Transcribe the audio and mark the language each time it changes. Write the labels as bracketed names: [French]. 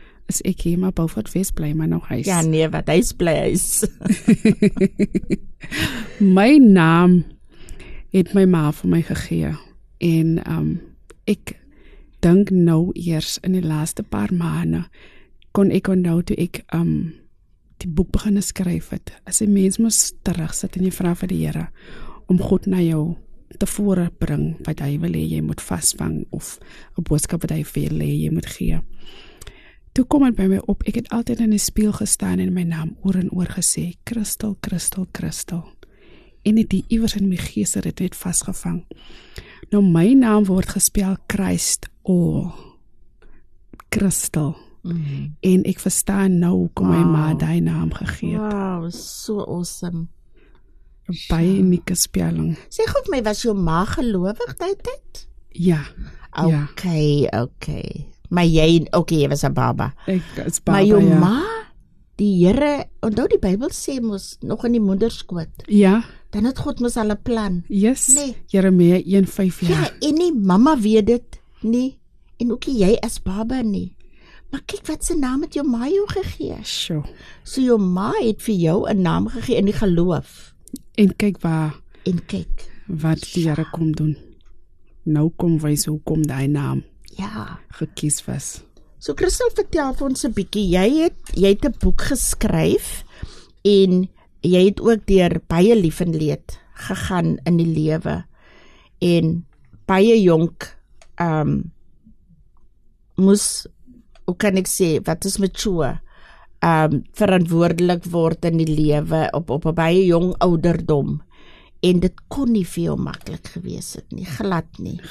[Afrikaans] Is ek hier, maar Beaufort Wes bly maar nog huis. Ja, nee, wat huis bly huis. My naam het my ma vir my gegee. En ek dink nou eers in die laaste paar maande kon ek onthou toe ek die boek begin skryf het. As die mens moes terugsit en jy vraag vir die Here om God na jou te voorbring wat hy wil hee, jy moet vasvang of 'n boodskap wat hy vir jy hee, jy moet gee. Toe kom het by my op, ek het altyd in die spieël gestaan en my naam oor en oor gesê, Christel, Christel, Christel. En het die iewers in my gees het net vasgevang. Nou, my naam word gespel Christ All. Christel. Mm-hmm. En ek verstaan nou hoe kom my ma die naam gegeet. [English] Wow, so awesome. [Afrikaans] Baie unieke spelling. Sê goed, my was jou ma gelovig die tyd? Ja. Okay, ja. Okay. Maar jy, okay, jy was a baba. Ek is baba, maar jou ja. Ma, die Here, onthou die Bybel sê, moes nog in die moederskoot. Ja. Dan het God mos hulle plan. Yes, nee. Jeremia 1:5 jaar. Ja, en nie mama weet dit nie, en ook jy as baba nie. Maar kyk wat sy naam het jou ma jou gegee. So. So jou ma het vir jou 'n naam gegee in die geloof. En kyk waar. En kyk. Wat die Here kom doen. Nou kom wys hoe kom daai naam ja. Gekies was. So Christel vertel vir ons 'n bietjie, jy het 'n boek geskryf en jy het ook deur baie lief en leed gegaan in die lewe en baie jonk moes, hoe kan ek sê, wat is mature, verantwoordelik word in die lewe op 'n baie jong ouderdom en dit kon nie vir jou maklik gewees het nie, glad nie.